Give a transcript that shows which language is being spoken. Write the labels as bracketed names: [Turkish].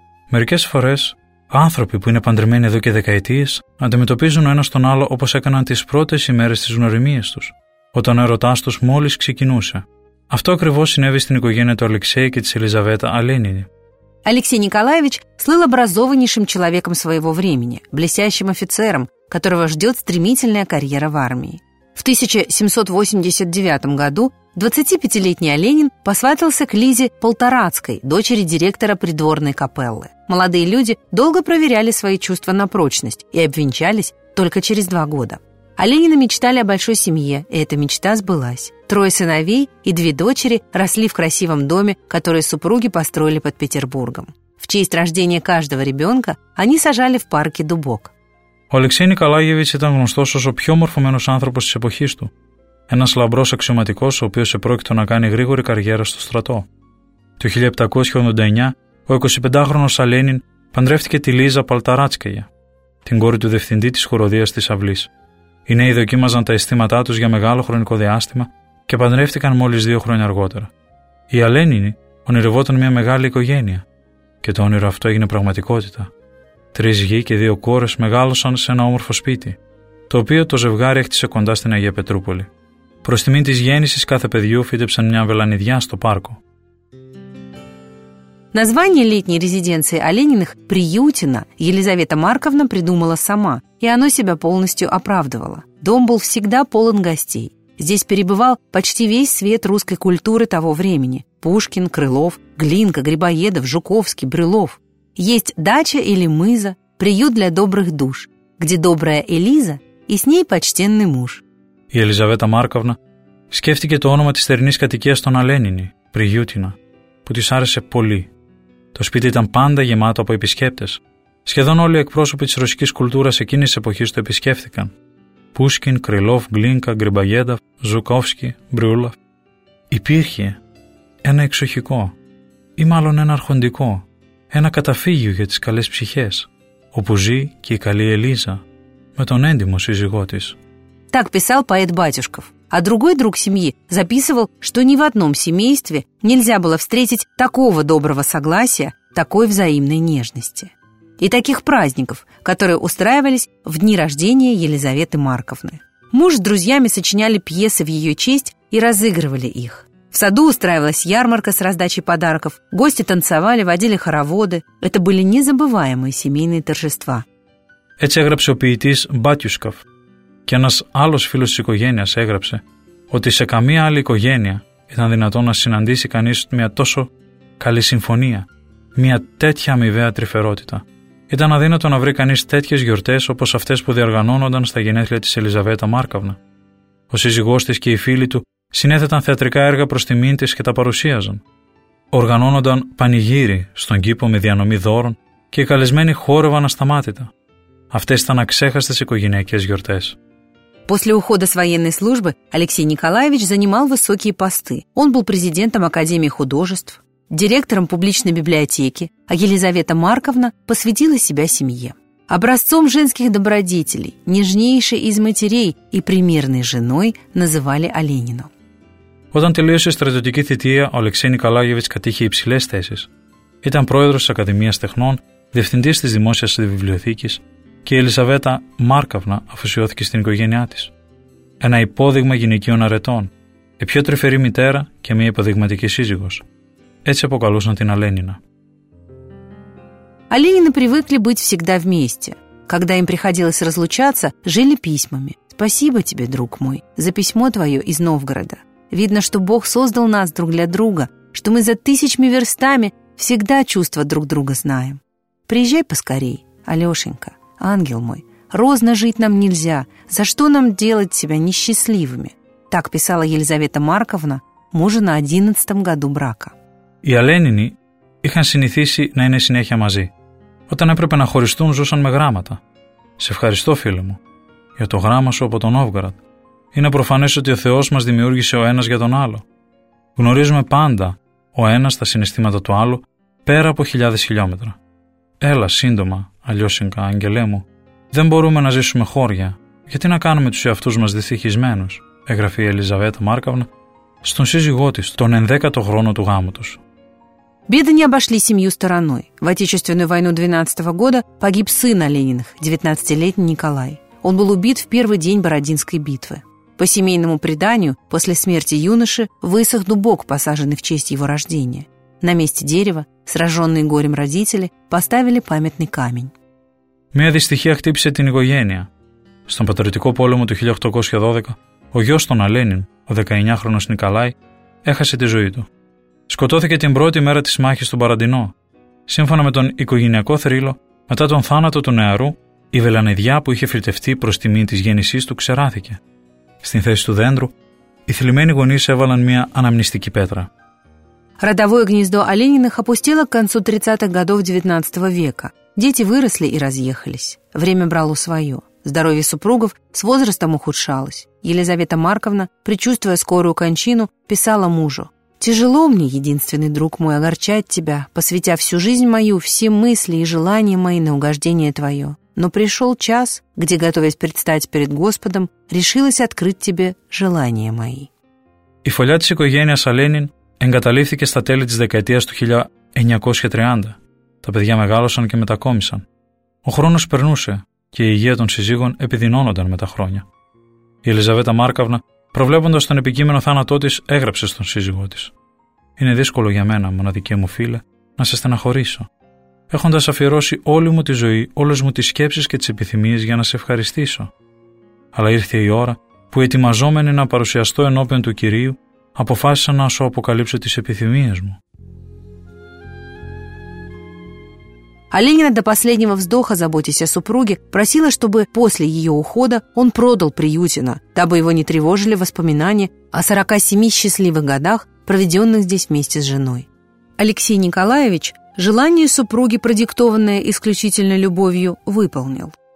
[Greek] Мерикес фарес, Άνθρωποι που είναι παντρεμένοι εδώ και δεκαετίες αντιμετωπίζουν ο ένας τον άλλο όπως έκαναν τις πρώτες ημέρες της γνωριμίας τους, όταν ο ερωτάς τους μόλις ξεκινούσε. Αυτό ακριβώς συνέβη στην οικογένεια του Αλεξέη και της Ελιζαβέτα Αλένινη. [Russian] Алексей Николаевич слыл образованнейшим человеком своего времени, блестящим офицером, которого ждет стремительная карьера в армии. В 1789 году 25-летний Оленин посватался к Лизе Полторацкой, дочери директора придворной капеллы. Молодые люди долго проверяли свои чувства на прочность и обвенчались только через два года. Оленины мечтали о большой семье, и эта мечта сбылась. Трое сыновей и две дочери росли в красивом доме, который супруги построили под Петербургом. В честь рождения каждого ребенка они сажали в парке дубок. [Greek] Ο Алексей Николаевич ήταν γνωστός ως ο πιο μορφωμένος άνθρωπος της εποχής του. Ένας λαμπρός αξιωματικός, ο οποίος επρόκειτο να κάνει γρήγορη καριέρα στο στρατό. Το 1789, ο 25χρονος Αλένιν παντρεύτηκε τη Λίζα Παλταράτσκαγια, την κόρη του διευθυντή της χοροδίας της αυλής. Οι νέοι δοκίμαζαν τα αισθήματά τους για μεγάλο χρονικό διάστημα και παντρεύτηκαν μόλις δύο χρόνια αργότερα. Η Αλένινη ονειρευόταν μια μεγάλη οικογένεια και το όνειρο αυτό έγινε πραγματικότητα. Τρεις γη και δύο κόρες μεγάλωσαν σε ένα όμορφο σπίτι, το οποίο το ζευγάρι έκτισε κοντά στην Αγία Πετρούπολη. Προς τιμή της γέννησης κάθε παιδιού φύτεψαν μια βελανιδιά στο πάρκο. [Russian] Название летней резиденции Олениных «Приютина» Елизавета Марковна придумала сама, и оно себя полностью оправдывало. Дом был всегда полон гостей. Здесь перебывал почти весь свет русской культуры того времени. Пушкин, Крылов, Глинка, Грибоедов, Жуковский, Брюлов. Есть дача или мыза, приют для добрых душ, где добрая Элиза и с ней почтенный муж. [Greek] Елизавета Марковна сκέφτηκε το όνομα της θερινής κατοικίας των Αλένινη, «Приютина», που της άρεσε πολύ. Το σπίτι ήταν πάντα γεμάτο από επισκέπτες. Σχεδόν όλοι οι εκπρόσωποι της ρωσικής κουλτούρας εκείνης της εποχής το επισκέφθηκαν. Πούσκιν, Κρυλόφ, Γκλίνκα, Γκριμπαγέντοφ, Ζουκόφσκι, Μπριούλαφ. Υπήρχε ένα εξοχικό, ή μάλλον ένα αρχοντικό, ένα καταφύγιο για τις καλές ψυχές, όπου ζει και η καλή Ελίζα, με τον έντιμο σύζυγό της. [Russian] Так писал поэт Батюшков. А другой друг семьи записывал, что ни в одном семействе нельзя было встретить такого доброго согласия, такой взаимной нежности. И таких праздников, которые устраивались в дни рождения Елизаветы Марковны. Муж с друзьями сочиняли пьесы в ее честь и разыгрывали их. В саду устраивалась ярмарка с раздачей подарков, гости танцевали, водили хороводы. Это были незабываемые семейные торжества. Это [Greek] έγραψε ο ποιητής Батюшков. Και ένας άλλος φίλος της οικογένειας έγραψε ότι σε καμία άλλη οικογένεια ήταν δυνατόν να συναντήσει κανείς μια τόσο καλή συμφωνία, μια τέτοια αμοιβαία τρυφερότητα. Ήταν αδύνατο να βρει κανείς τέτοιες γιορτές όπως αυτές που διοργανώνονταν στα γενέθλια της Ελιζαβέτα Μάρκαβνα. Ο σύζυγός της και οι φίλοι του συνέθεταν θεατρικά έργα προς τιμήν της και τα παρουσίαζαν. Οργανώνονταν πανηγύρι στον κήπο με διανομή δώρων και οι καλεσμένοι χόρευαν ασταμάτητα. Αυτές ήταν αξέχαστες οικογενειακές γιορτές. [Russian] После ухода с военной службы Алексей Николаевич занимал высокие посты. Он был президентом Академии художеств, директором публичной библиотеки, а Елизавета Марковна посвятила себя семье. Образцом женских добродетелей, нежнейшей из матерей и примерной женой называли Оленину. [Greek] Όταν τελείωσε στρατιωτική θητεία, ο Алексей Николаевич κατήχε υψηλές θέσεις. Ήταν πρόεδρος της Ακαδημίας Τεχνών, διευθυντής της Δημόσιας Βιβλιοθήκης, και η Ελισαβέτα Μάρκαυνα αφοσιώθηκε στην οικογένειά της. Ένα υπόδειγμα γυναικείων αρετών, η πιο τρυφερή μητέρα και μια υποδειγματική σύζυγος. Έτσι αποκαλούσαν την Αλένινα. [Russian] Αλένινα привыкли быть всегда вместе. Когда им приходилось разлучаться, жили письмами. «Спасибо тебе, друг мой, за письмо твое из Новгорода. Видно, что Бог создал нас друг для друга, что мы за тысячами верстами всегда чувства друг друга знаем. Приезжай поскорей, Алешенька». «Ангел мой, розно жить нам нельзя, за что нам делать себя несчастливыми?» Так писала Елизавета Марковна мужу на 11-м году брака. [Greek] Οι Αλένινοι είχαν συνηθίσει να είναι συνέχεια μαζί. Όταν έπρεπε να χωριστούν ζούσαν με γράμματα. «Σε ευχαριστώ φίλε μου για το γράμμα σου από τον Νόβγκαρντ. Είναι προφανές ότι ο Θεός μας δημιούργησε ο ένας για τον άλλο. Γνωρίζουμε πάντα ο ένας τα συναισθήματα του άλλου πέρα από χιλιάδες χιλιόμετρα. Έλα σύντομα, Αλιώσυνκα, άγγελέ μου, δεν μπορούμε να ζήσουμε χώρια. Γιατί να κάνουμε τους εαυτούς μας δυστυχισμένους», έγραφε η Ελιζαβέτα Μάρκαυνα στον σύζυγό της τον 11ο χρόνο του γάμου τους. [Russian] Беды не обошли семью стороной. В Отечественную войну 12 года погиб сын Олениных, 19-летний Николай. Он был убит в первый день Бородинской битвы. По семейному преданию, после смерти юноши высох дубок, посаженный в честь его рождения. На месте дерева, сраженные горем родители, поставили памятный камень. [Greek] Мя дистихия хтипсе тин игогения. Στον πατριωτικό πόλεμο του 1812, ο γιος των Αλένιν, ο 19χρονος Νικολάη, έχασε τη ζωή του. Σκοτώθηκε την πρώτη μέρα της μάχης στον Μπαραντινό. Σύμφωνα με τον οικογενειακό θρύλο, μετά τον θάνατο του νεαρού, η βελανιδιά που είχε φυτευτεί προς τιμή της γέννησής του ξεράθηκε. Στην θέση του δέντρου, οι θλιμμένοι γονείς έβαλαν μια αναμνηστική πέτρα. [Russian] Родовое гнездо Олениных опустело к концу 30-х годов 19 века. Дети выросли и разъехались. Время брало свое. Здоровье супругов с возрастом ухудшалось. Елизавета Марковна, предчувствуя скорую кончину, писала мужу: «Тяжело мне, единственный друг мой, огорчать тебя, посвятя всю жизнь мою, все мысли и желания мои на угождение твое. Но пришел час, где, готовясь предстать перед Господом, решилась открыть тебе желания мои». [Greek] Η φωλιά της οικογένειας Αλένιν εγκαταλείφθηκε στα τέλη της δεκαετίας του 1930. Τα παιδιά μεγάλωσαν και μετακόμισαν. Ο χρόνος περνούσε και η υγεία των συζύγων επιδεινώνονταν με τα χρόνια. Η Ελιζαβέτα Μάρκαυνα, προβλέποντας τον επικείμενο θάνατό της, έγραψε στον σύζυγό της: «Είναι δύσκολο για μένα, μοναδική μου φίλε, να σε στεναχωρήσω. Έχοντας αφιερώσει όλη μου τη ζωή, όλες μου τις σκέψεις και τις επιθυμίες για να σε ευχαριστήσω. Αλλά ήρθε η ώρα που, ετοιμαζόμενοι να παρουσιαστώ ενώπιον του Κυρίου, αποφάσισα να σου αποκαλύψω τις επιθυμίες μου». [Russian] Оленина до последнего вздоха, заботясь о супруге, просила, чтобы после ее ухода он продал Приютино, дабы его не тревожили воспоминания о 47 счастливых годах, проведенных здесь вместе с женой. Алексей Николаевич желание супруги, продиктованное исключительно любовью, выполнил.